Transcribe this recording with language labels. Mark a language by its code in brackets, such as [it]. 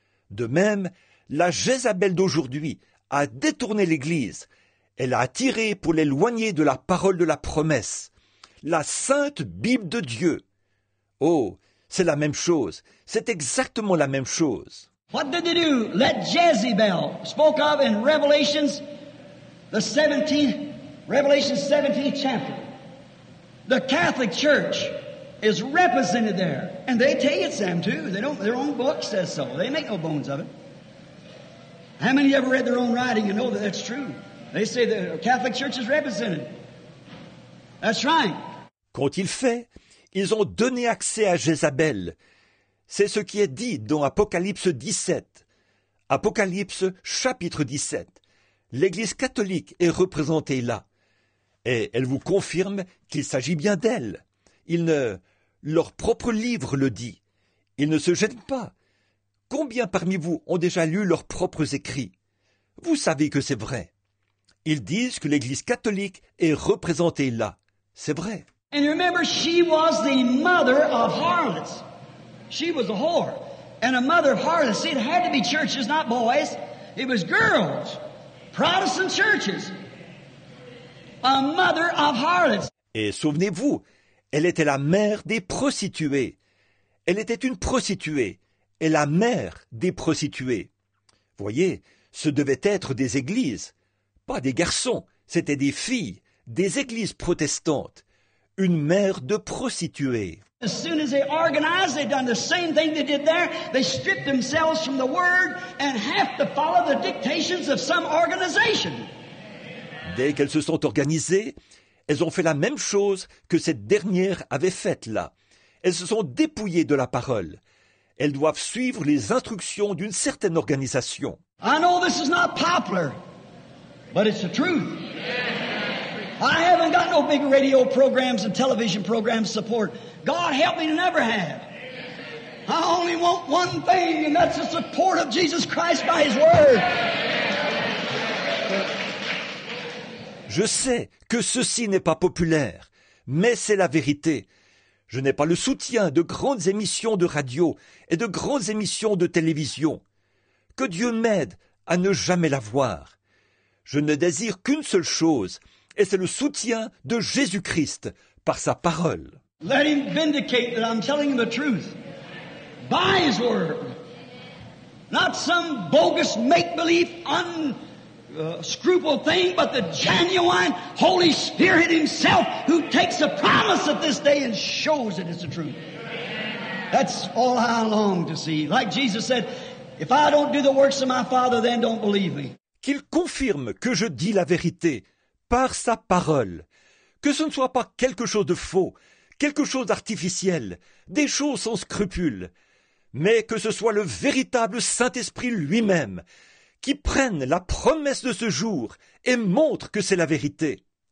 [fr] De même, la Jézabel d'aujourd'hui a détourné l'Église. Elle a attiré pour l'éloigner de la parole de la promesse. La Sainte Bible de Dieu. Oh, c'est la même chose. C'est exactement la même chose. [en] What did they do? Let Jezebel, spoke of in Revelation 17 chapter. The Catholic Church is represented there. And they tell you it's them too. They don't, their own book says so. They make no bones of it. How many of you ever read their own writing and know that that's true? They say the Catholic Church is represented. That's right. [fr] Quand il fait, ils ont donné accès à Jézabel. C'est ce qui est dit dans Apocalypse 17. Apocalypse chapitre 17. L'Église catholique est représentée là. Et elle vous confirme qu'il s'agit bien d'elle. Leur propre livre le dit. Ils ne se gênent pas. Combien parmi vous ont déjà lu leurs propres écrits? Vous savez que c'est vrai. Ils disent que l'Église catholique est représentée là. C'est vrai. [en] And remember, she was the mother of harlots. She was a whore. And a mother of harlots. See, it had to be churches, not boys. It was girls. Protestant churches. A mother of harlots. [fr] Et souvenez-vous, elle était la mère des prostituées. Elle était une prostituée. Et la mère des prostituées. Voyez, ce devait être des églises. Pas des garçons. C'était des filles. Des églises protestantes. Une mère de prostituée. [en] As soon as they organized, they done the same thing they did there. They stripped themselves from the word and have to follow the dictations of some organization. [fr] Dès qu'elles se sont organisées, elles ont fait la même chose que cette dernière avait faite là. Elles se sont dépouillées de la parole. elles doivent suivre les instructions d'une certaine organisation. [en] I know this is not popular, but it's the truth. I haven't got no big radio programs and television programs support. God help me to never have. I only want one thing, and that's the support of Jesus Christ by His Word. [fr] Je sais que ceci n'est pas populaire, mais c'est la vérité. Je n'ai pas le soutien de grandes émissions de radio et de grandes émissions de télévision. Que Dieu m'aide à ne jamais l'avoir. Je ne désire qu'une seule chose, et c'est le soutien de Jésus-Christ par sa parole. [en] Let him vindicate that I'm telling the truth by his word, not some bogus make-believe unscrupulous thing, but the genuine Holy Spirit himself who takes the promise of this day and shows it is the truth. That's all I long to see. Like Jesus said, if I don't do the works of my Father, then don't believe me. [fr] Qu'il confirme que je dis la vérité par sa parole, que ce ne soit pas quelque chose de faux, quelque chose d'artificiel, des choses sans scrupule, mais que ce soit le véritable Saint-Esprit lui-même qui prenne la promesse de ce jour et montre que c'est la vérité.